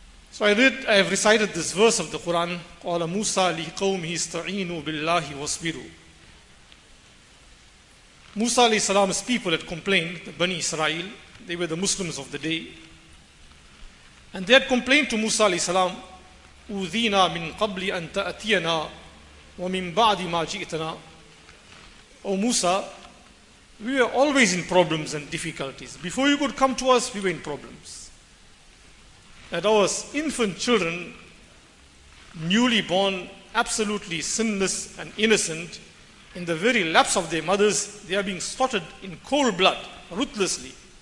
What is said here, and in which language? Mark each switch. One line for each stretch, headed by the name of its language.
English: So I have recited this verse of the Quran,
Arabic: قَالَ مُوسَى لِقَوْمِهِ اسْتَعِينُوا بِاللَّهِ وَاصْبِرُوا.
English: Musa alayhi salam's people had complained, the Bani Israel, they were the Muslims of the day. And they had complained to Musa alayhi salam,
Arabic: أُذِينَا مِنْ قَبْلِ أَنْ تَأْتِيَنَا وَمِنْ بَعْدِ مَا جِئْتَنَا.
English: O Musa, we were always in problems and difficulties. Before you could come to us, we were in problems. That our infant children, newly born, absolutely sinless and innocent, in the very laps of their mothers, they are being slaughtered in cold blood, ruthlessly.